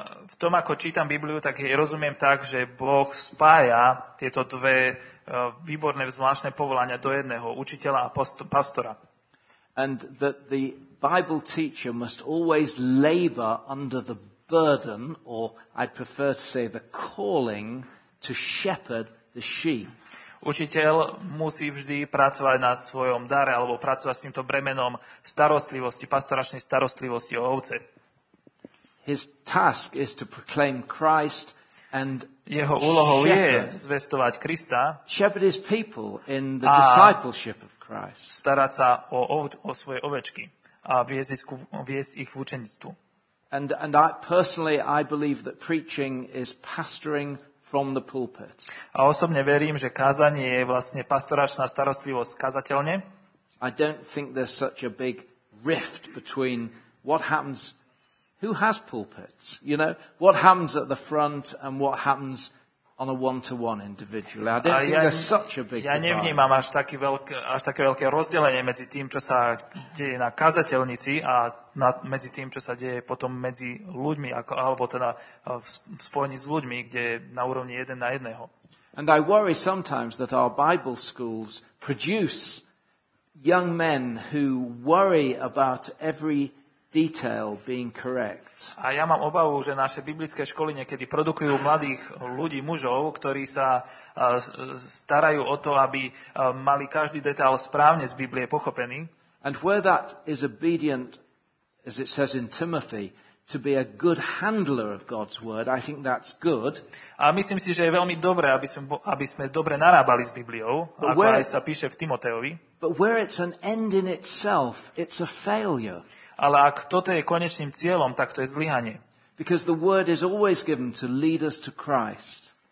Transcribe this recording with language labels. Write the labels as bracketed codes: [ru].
[sk] V tom, ako čítam Bibliu, tak je rozumiem tak, že Boh spája tieto dve výborné zvláštne povolania do jedného, učiteľa a pastora. [en] And that the Bible teacher must always labor under the burden, or I'd prefer to say the calling, to shepherd the sheep. [sk] Učiteľ musí vždy pracovať na svojom dare alebo pracovať s týmto bremenom starostlivosti, pastoračnej starostlivosti o ovce. [en] His task is to proclaim Christ and [sk] jeho úlohou je zvestovať Krista. [en] Shepherd his people in the discipleship of Christ. [sk] Starať sa o svoje ovečky a viesť ich v učeníctvu. [en] And I personally I believe that preaching is pastoring from the pulpit. [sk] A osobne verím, že kázanie je vlastne pastoračná starostlivosť kazateľne. [en] I don't think there's such a big rift between what happens, who has pulpits, you know, what happens at the front and what happens on a one-to-one individually. I don't think there's such a big divide. [sk] Ja nevnímam až také veľké rozdelenie medzi tým, čo sa deje na kazateľnici a medzi tým, čo sa deje potom medzi ľuďmi, alebo teda v spojení s ľuďmi, kde je na úrovni jeden na jedného. [en] And I worry sometimes that our Bible schools produce young men who worry about every detail being correct. [sk] A ja mám obavu, že naše biblické školy niekedy produkujú mladých ľudí, mužov, ktorí sa starajú o to, aby mali každý detail správne z Biblie pochopený. [en] And where that is obedient, as it says in Timothy, to be a good handler of God's word, I think that's good. [sk] A myslím si, že je veľmi dobré, aby sme dobre narábali s Bibliou, ako aj sa píše v Timoteovi. [en] But where it's an end in itself, it's a failure. [sk] Ale ak toto je konečným cieľom, tak to je zlyhanie. [en] Because the word is always given to lead us to Christ.